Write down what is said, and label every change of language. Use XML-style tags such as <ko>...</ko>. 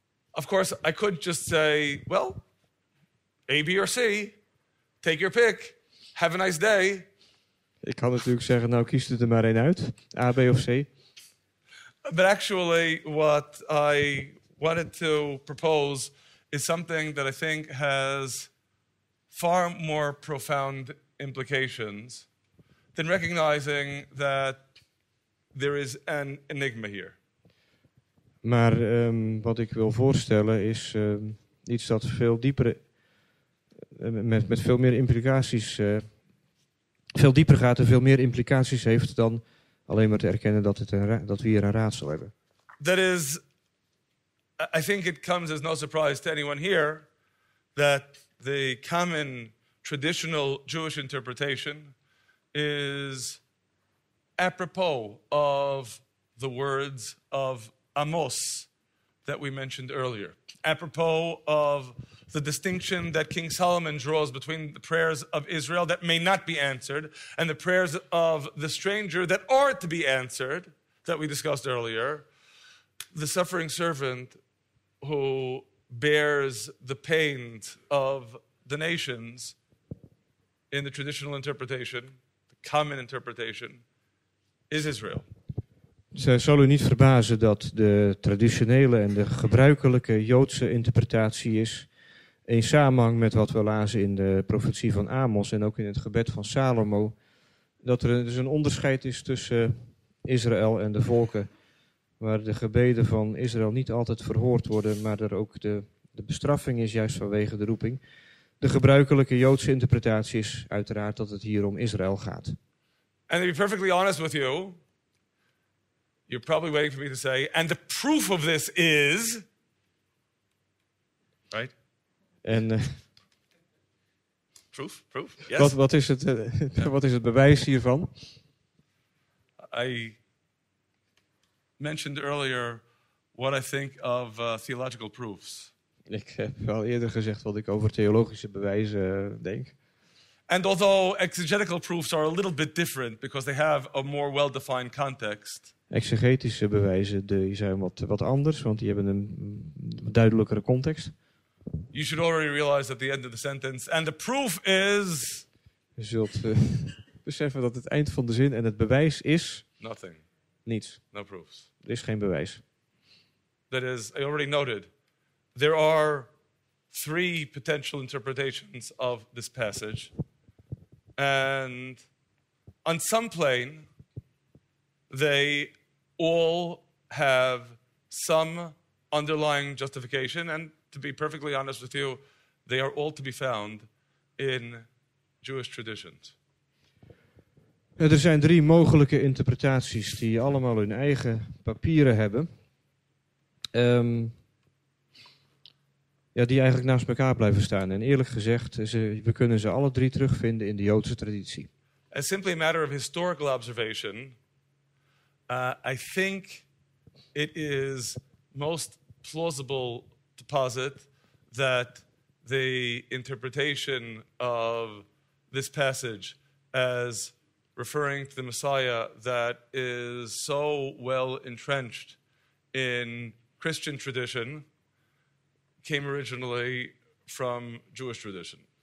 <en>Of course, I could just say, well, A, B or C, take your pick, have a nice day.</en> <nl>Ik kan natuurlijk zeggen, nou kies er maar één uit, A, B of C.</nl> <en>But actually, what I wanted to propose is something that I think has far more profound implications than recognizing that there is an enigma here.</en> <nl>Maar wat ik wil voorstellen is iets dat veel dieper, met veel meer implicaties, veel dieper gaat en veel meer implicaties heeft dan alleen maar te erkennen dat we hier een raadsel hebben.</nl> <en>That is, I think it comes as no surprise to anyone here that the common traditional Jewish interpretation is apropos of the words of Amos that we mentioned earlier. Apropos of the distinction that King Solomon draws between the prayers of Israel that may not be answered and the prayers of the stranger that are to be answered, that we discussed earlier, the suffering servant who bears the pain of the nations in the traditional interpretation, the common interpretation, is Israel.</en> <nl>Het zal u niet verbazen dat de traditionele en de gebruikelijke Joodse interpretatie is in samenhang met wat we lazen in de profetie van Amos en ook in het gebed van Salomo, dat er dus een onderscheid is tussen Israël en de volken, waar de gebeden van Israël niet altijd verhoord worden, maar er ook de bestraffing is juist vanwege de roeping. De gebruikelijke Joodse interpretatie is uiteraard dat het hier om Israël gaat.</nl> <en>En to be perfectly honest with you, you're probably waiting for me to say, and the proof of this is, right?</en> <nl>En</nl> <en>proof? Yes.</en> <nl>Wat is het bewijs hiervan?</nl> <en>I mentioned earlier what I think of theological proofs.</en> <nl>Ik heb al eerder gezegd wat ik over theologische bewijzen denk.</nl> <en>And although exegetical proofs are a little bit different because they have a more well-defined context.</en> <nl>Exegetische bewijzen die zijn wat anders, want die hebben een duidelijkere context.</nl> <en>You should already realize at the end of the sentence, and the proof is.</en> <nl>Je zult beseffen dat het eind van de zin en het bewijs is.</nl> <en>Nothing.</en> <nl>Niets.</nl> <en>No proofs.</en> <nl>Er is geen bewijs.</nl> <en>That is, I already noted, there are three potential interpretations of this passage, and on some plane, they all have some underlying justification, and to be perfectly honest with you, they are all to be found in Jewish traditions.</en> <nl>Er zijn drie mogelijke interpretaties die allemaal hun eigen papieren hebben. Die eigenlijk naast elkaar blijven staan. En eerlijk gezegd, we kunnen ze alle drie terugvinden in de Joodse traditie.</nl> <en>As simply a matter of historical observation, I think it is most plausible to posit that the interpretation of this passage as referring to the Messiah that is so well entrenched in Christian tradition came originally from Jewish tradition.</en>